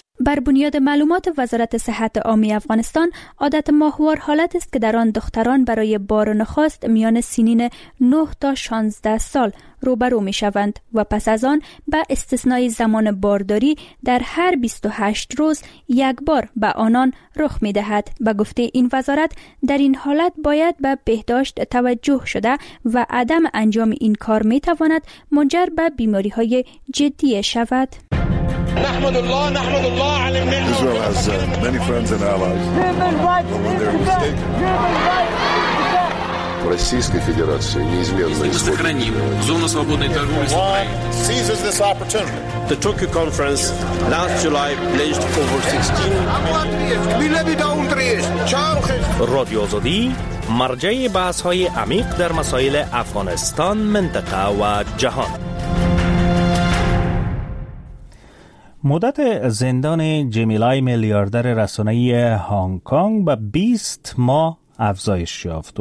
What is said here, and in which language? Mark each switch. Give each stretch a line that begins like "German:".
Persian: بر بنیاد معلومات وزارت صحت عامه افغانستان، عادت ماهوار حالت است که در آن دختران برای بار نخست میان سنین 9 تا 16 سال روبرو می شوند و پس از آن به استثنای زمان بارداری در هر 28 روز یک بار به آنان رخ می دهد. به گفته این وزارت، در این حالت باید به بهداشت توجه شده و عدم انجام این کار می تواند منجر به بیماری های جدی شود.
English: Israel has many friends and allies. Human rights is the best.
Russian: Российская Федерация неизменно сохраним зону свободной торговли с Украиной.
English: Seizes this opportunity. The Tokyo Conference last July pledged over 16.
Persian: Radio Azadi, مرجع بحث‌های عمیق در مسائل افغانستان، منطقه و جهان. مدت زندان جمیلای میلیاردر رسانه‌ای هانگ کانگ به 20 ماه افزایش یافت.